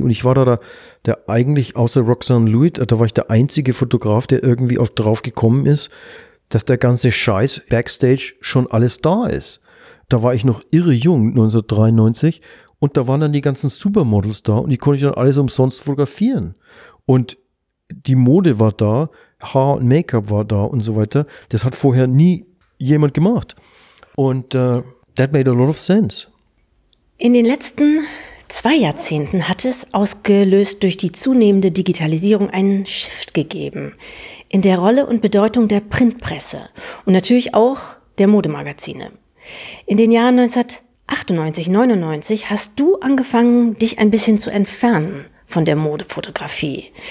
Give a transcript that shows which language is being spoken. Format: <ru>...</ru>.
<de>Und ich war da der eigentlich, außer Roxanne Lloyd, da war ich der einzige Fotograf, der irgendwie auch drauf gekommen ist, dass der ganze Scheiß Backstage schon alles da ist. Da war ich noch irre jung, 1993. Und da waren dann die ganzen Supermodels da und die konnte ich dann alles umsonst fotografieren. Und die Mode war da, Haar und Make-up war da und so weiter. Das hat vorher nie jemand gemacht. Und</de> <en>that made a lot of sense.</en> <de>In den letzten zwei Jahrzehnten hat es, ausgelöst durch die zunehmende Digitalisierung, einen Shift gegeben in der Rolle und Bedeutung der Printpresse und natürlich auch der Modemagazine. In den Jahren 1998, 99 hast du angefangen, dich ein bisschen zu entfernen von der Modefotografie.</de>